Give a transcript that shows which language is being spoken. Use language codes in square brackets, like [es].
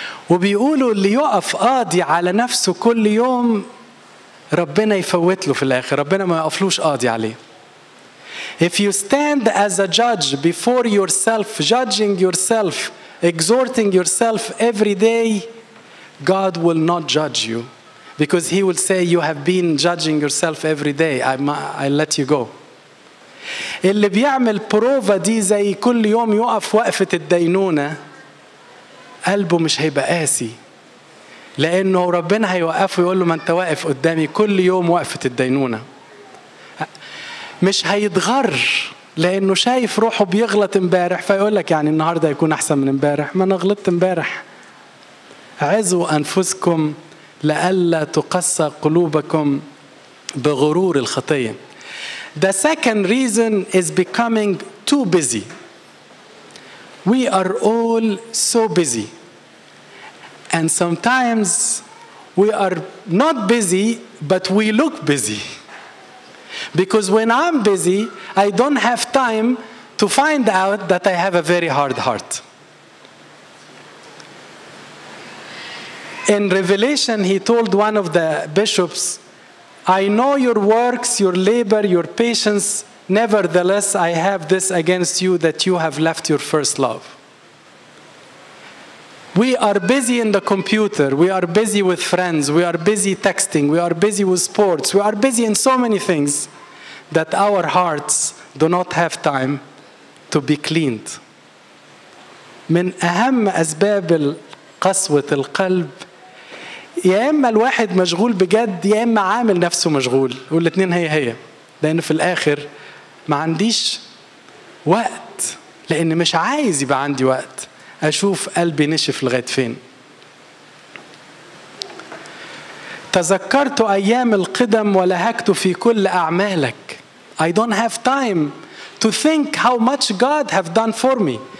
[ar] وبيقولوا اللي يقف قاضي على نفسه كل يوم ربنا يفوت له في الآخر, ربنا ما يقفلوش قاضي عليه. [en] If you stand as a judge before yourself, judging yourself, exhorting yourself every day, God will not judge you. Because he will say, you have been judging yourself every day. I let you go. [ar] اللي بيعمل بروفا دي زي كل يوم يقف وقفة الدينونة, قلبه مش هيبقى قاسي، لأنه ربنا هيوقفه يقول له ما أنت واقف قدامي كل يوم وقفة الدينونة. مش هيتغر لأنه شايف روحه بيغلط مبارح، فيقولك يعني النهاردة يكون أحسن من مبارح، ما أنا غلطت مبارح. عزوا أنفسكم لألا تقسى قلوبكم بغرور الخطية. [en] The second reason is becoming too busy. We are all so busy. And sometimes we are not busy, but we look busy. Because when I'm busy, I don't have time to find out that I have a very hard heart. In Revelation, he told one of the bishops, I know your works, your labor, your patience. Nevertheless, I have this against you that you have left your first love. We are busy in the computer. We are busy with friends. We are busy texting. We are busy with sports. We are busy in so many things that our hearts do not have time to be cleaned. [ar] من أهم أسباب قسوة القلب يا إما الواحد مشغول بجد يا إما عامل نفسه مشغول، والاثنين هي هي، لأن في الآخر ما عنديش وقت، لأن مش عايز يبقى عندي وقت أشوف قلبي نشف لغاية فين. تذكرت أيام القدم ولهكت في كل أعمالك. [en] I don't have time to think how much God have done for me.